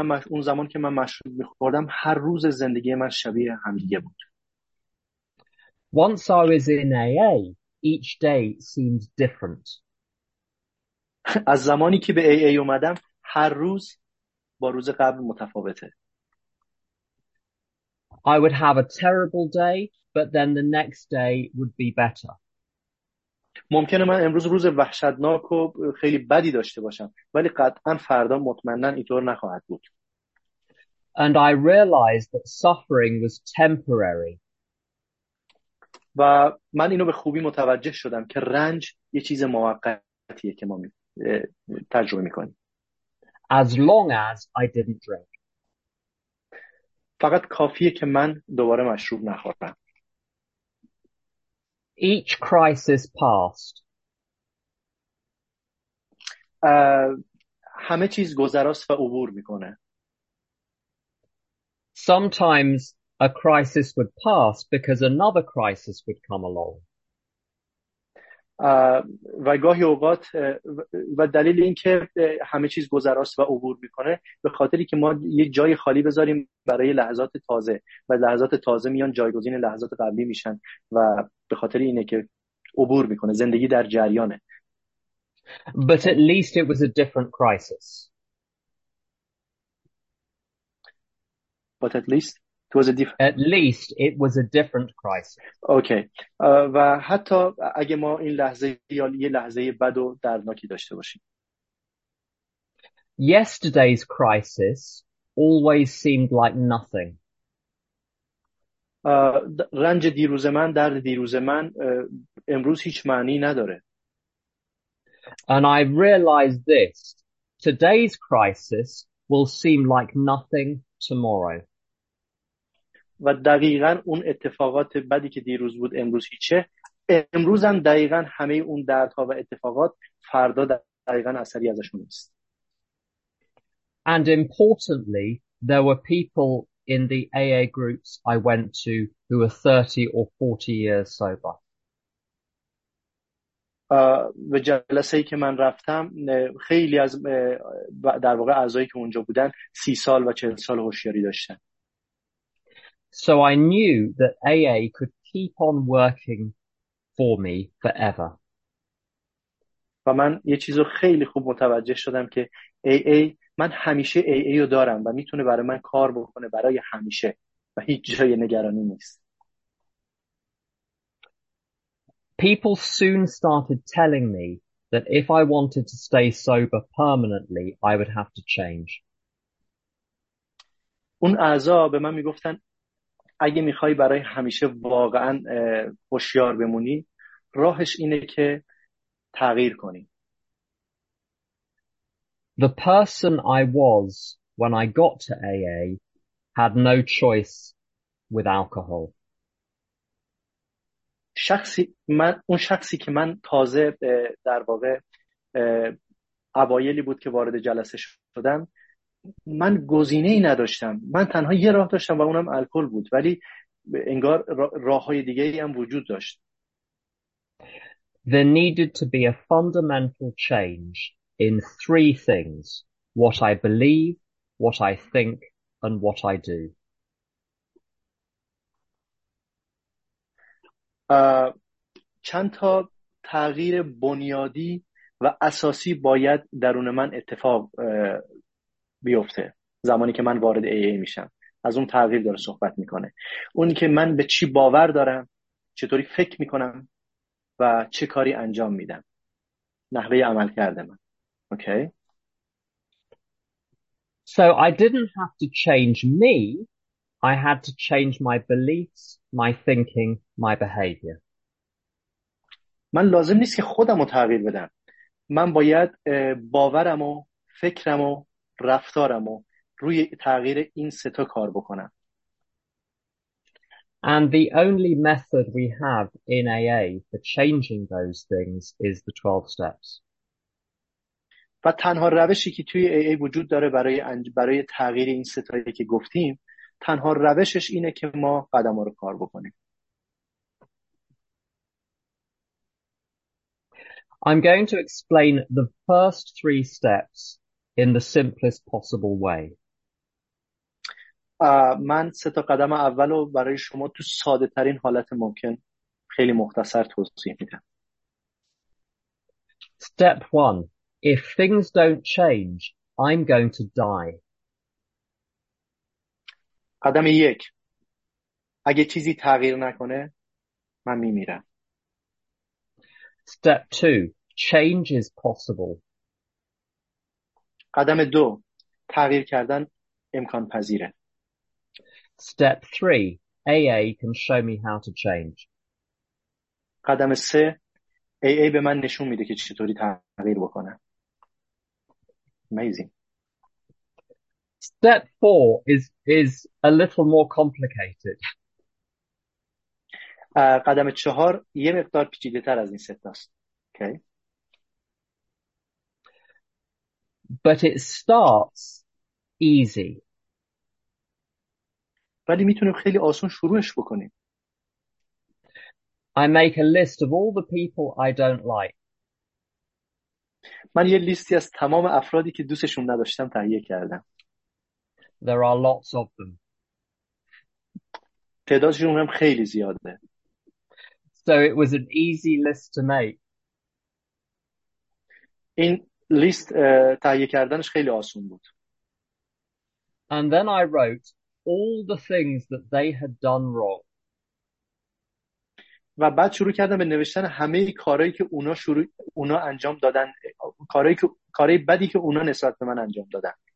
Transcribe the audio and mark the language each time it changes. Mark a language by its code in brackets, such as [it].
[fa] اون زمانی که من مشروب می‌خوردم، هر روز زندگی من شبیه همدیگه بود. [en] Once I was in AA, each day seemed different. [fa] از زمانی که به AA اومدم، هر روز با روز قبل متفاوته. [en] I would have a terrible day, but then the next day would be better. [fa] ممکنه من امروز روز وحشتناک و خیلی بدی داشته باشم، ولی قطعا فردا مطمئنا اینطور نخواهد بود. [en] And I realized that suffering was temporary. [fa] و من اینو به خوبی متوجه شدم که رنج یه چیز موقتیه که ما تجربه میکنیم. [en] As long as I didn't drink. [fa] فقط کافیه که من دوباره مشروب نخورم. [en] Each crisis passed. [fa] همه چیز گذراست و عبور میکنه. [en] Sometimes a crisis would pass because another crisis would come along. [fa] و گاهی اوقات و دلیل اینکه همه چیز گذراست و عبور میکنه به خاطری که ما یه جای خالی بذاریم برای لحظات تازه و لحظات تازه میان جایگزین لحظات قبلی میشن و به خاطر اینه که عبور میکنه زندگی در جریانه. [en] But at least it was a different crisis. But at least it was a different. At least it was a different crisis. Okay. [fa] و حتی اگه ما این لحظه یا یه لحظه بد و دردناکی داشته باشیم. [en] Yesterday's crisis always seemed like nothing. [fa] رنج دیروز من، درد دیروز من امروز هیچ معنی نداره. [en] And I realized this. Today's crisis will seem like nothing tomorrow. [fa] و دقیقاً اون اتفاقات بدی که دیروز بود امروز هیچه. امروز هم دقیقاً همه اون دردها و اتفاقات فردا دقیقاً اثری ازشون نیست. [en] And importantly, there were people in the AA groups I went to who were 30 or 40 years sober. [fa] به جلسه ای که من رفتم خیلی از در واقع اعضایی که اونجا بودن 30 سال و 40 سال هوشیاری داشتن. [en] So I knew that AA could keep on working for me forever. [fa] و من یه چیز رو خیلی خوب متوجه شدم که AA من همیشه AA رو دارم و میتونه برای من کار بکنه برای همیشه و هیچ جای نگرانی نیست. [en] People soon started telling me that if I wanted to stay sober permanently, I would have to change. [fa] اون اعضا به من میگفتن اگه میخوای برای همیشه واقعا هوشیار بمونی راهش اینه که تغییر کنی. [en] The person I was when I got to AA had no choice with alcohol. [fa] شخصی من اون شخصی که من تازه در واقع اوایلی بود که وارد جلسه شدم من گزینه ای نداشتم، من تنها یه راه داشتم و اونم الکل بود، ولی انگار راه‌های دیگه ای هم وجود داشت. [en] There needed to be a fundamental change in three things: what I believe, what I think, and what I do. [fa] چند تا تغییر بنیادی و اساسی باید درون من اتفاق بیفته زمانی که من وارد AA میشم. از اون تغییر داره صحبت میکنه، اون که من به چی باور دارم، چطوری فکر میکنم و چه کاری انجام میدم، نحوه عمل کرده من. [en] Okay. So I didn't have to change me, I had to change my beliefs, my thinking, my behavior. [fa] من لازم نیست که خودم رو تغییر بدم، من باید باورم و فکرم و رفتارم و روی تغییر این سه تا کار بکنم. [en] And the only method we have in AA for changing those things is the 12 steps. [fa] و تنها روشی که توی AA وجود داره برای تغییر این سه تایی که گفتیم، تنها روشش اینه که ما قدم ها رو کار بکنیم. [en] I'm going to explain the first three steps in the simplest possible way. [fa] من سه تا قدم اول رو برای شما تو ساده ترین حالت ممکن خیلی مختصر توضیح میدم. [en] Step one, if things don't change, I'm going to die. [fa] قدم یک، اگه چیزی تغییر نکنه من میمیرم. [en] Step two, change is possible. [fa] قدم دو، تغییر کردن امکان پذیره. [en] Step 3, AA can show me how to change. [fa] قدم سه، AA به من نشون میده که چطوری تغییر بکنم. [en] Amazing. Step 4 is a little more complicated. [fa] قدم چهار یه مقدار پیچیده تر از این سه تاست. [en] Okay. But it starts easy. [fa] ولی میتونیم خیلی آسون شروعش بکنیم. [en] I make a list of all the people I don't like. [fa] من یه لیستی از تمام افرادی که دوستشون نداشتم تهیه کردم. [en] There are lots of them. [fa] تعدادشون هم خیلی زیاده. [en] So it was an easy list to make. [fa] این لیست تهیه کردنش خیلی آسون بود. [en] And then I wrote all the things that they had done wrong. [fa] و بعد شروع کردم به نوشتن همه کارهایی که اونا شروع اونا انجام دادن کارهایی که کارهای بدی که اونا نسبت به من انجام دادن.